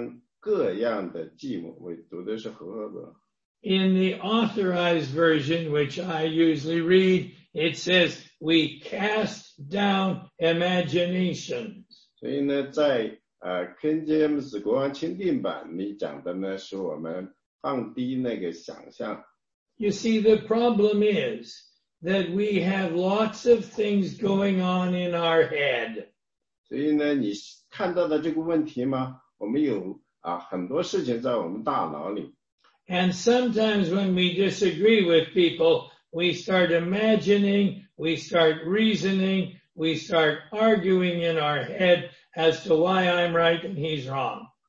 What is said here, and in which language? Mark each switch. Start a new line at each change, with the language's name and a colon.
Chinese: 所以呢，第五节呢，刚开始讲呢，将各样的计谋，我读的是和合本。
English: In the authorized version, which I usually read, it says, we cast down imaginations.
Chinese: 所以呢，在King James 国王钦定版里讲的呢，是我们放低那个想象。
English: You see, the problem is that we have lots of things going on in our head.
Chinese: 所以呢，你看到的这个问题吗？我们有很多事情在我们大脑里。
English: And sometimes when we disagree with people, we start imagining, we start reasoning, we start arguing in our head as to why I'm right and he's wrong.